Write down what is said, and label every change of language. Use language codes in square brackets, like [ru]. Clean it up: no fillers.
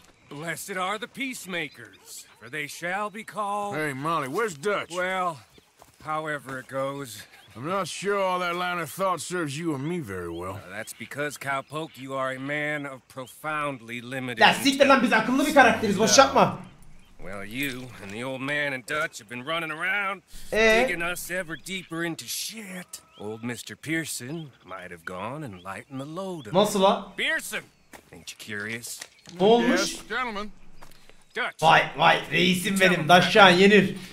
[en] Blessed are the peacemakers, for they shall be called. Hey Molly, where's Dutch? Well, however it goes. I'm not sure all that line of thought serves you or me very well. That's because, cowpoke, you are a man of profoundly limited... [tr] Ya siktir lan, biz akıllı bir karakteriz, boş yapma. [en] Well, you and the old man and Dutch have been running around, digging us ever deeper into shit. Old Mr. Pearson might have gone and lightened the load of... [tr] Nasıl lan? [en] Pearson! Ain't you curious? [tr] Ne olmuş? [en] Yes, gentlemen. Dutch. [tr] Vay vay, reisim benim, daşşan yenir.